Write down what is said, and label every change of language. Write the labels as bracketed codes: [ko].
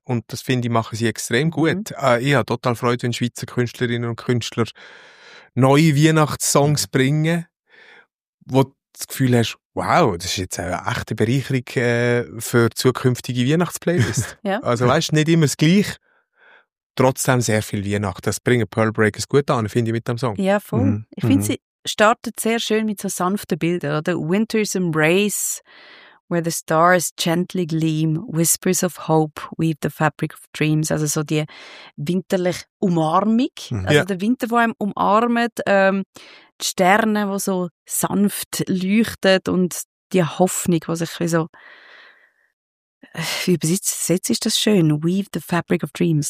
[de] Und das finde ich, machen sie extrem gut. Ich habe total Freude, wenn Schweizer Künstlerinnen und Künstler neue Weihnachtssongs bringen, wo du das Gefühl hast, wow, das ist jetzt eine echte Bereicherung für zukünftige Weihnachtsplaylists. Ja. Also weißt, nicht immer das Gleiche, trotzdem sehr viel Weihnacht. Das bringen Pearl Breakers gut an, finde ich, mit dem Song. Ja, voll. Ich finde, sie startet sehr schön mit so sanften Bildern. Oder? [en] Winter's Embrace, where the stars gently gleam, whispers of hope weave the fabric of dreams. [de] Also so die winterliche Umarmung, also der Winter, der einem umarmt, die Sterne, die so sanft leuchten und die Hoffnung, die sich wie so, wie übersetzt ist das schön, [en] weave the fabric of dreams.